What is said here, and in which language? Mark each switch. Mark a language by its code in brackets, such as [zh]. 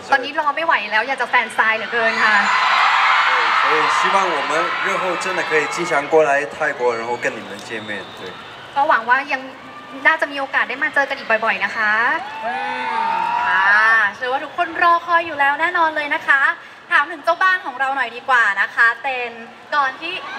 [th] ตอนนี้รอไม่ไหวแล้วอยากจะแฟนไซน์เหลือเกินค่ะ [zh] 对所以希望我们日后真的可以经常过来泰国然后跟你们见面对 [th] ก็หวังว่ายังน่าจะมีโอกาสได้มาเจอกันอีกบ่อยๆนะคะค่ะเชื่อว่าทุกคนรอคอยอยู่แล้วแน่นอนเลยนะคะถามถึงเจ้าบ้านของเราหน่อยดีกว่านะคะเต็นก่อนที่